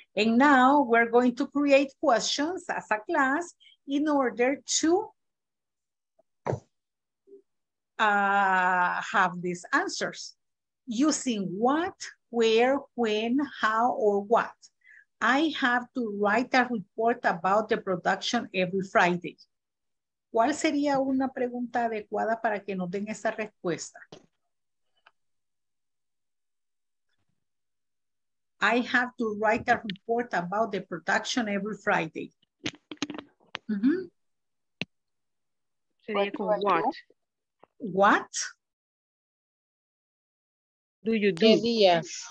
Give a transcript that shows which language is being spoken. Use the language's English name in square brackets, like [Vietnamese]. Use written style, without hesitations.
[English] And now we're going to create questions as a class in order to have these answers using what, where, when, how, or what. I have to write a report about the production every Friday. [Spanish] ¿Cuál sería una pregunta adecuada para que nos den esa respuesta? [English] I have to write a report about the production every Friday. Mm-hmm. What? What do you do?